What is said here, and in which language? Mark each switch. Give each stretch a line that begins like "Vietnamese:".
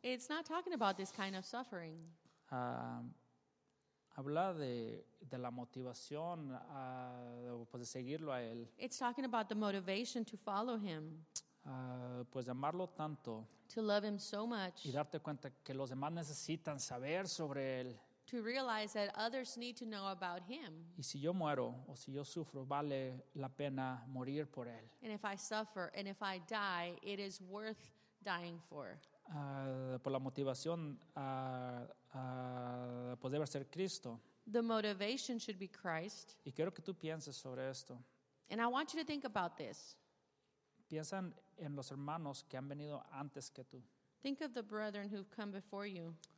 English: It's not talking about this kind of suffering.
Spanish: Habla de la motivación pues de seguirlo a él.
English: It's talking about the motivation to follow him.
Spanish: Pues de amarlo tanto.
English: To love him so much.
Spanish: Y darte cuenta que los demás necesitan saber sobre él.
English: To realize that others need to know about him.
Spanish: Y si yo muero o si yo sufro, vale la pena morir por él.
English: And if I suffer and if I die, it is worth dying for.
Spanish: Por la motivación pues debe ser Cristo.
English: The motivation should be Christ.
Spanish: Y quiero que tú pienses sobre esto.
English: And I want you to think about this.
Spanish: Piensa en los hermanos que han venido antes que tú.
English: Think of the brethren who've come before you.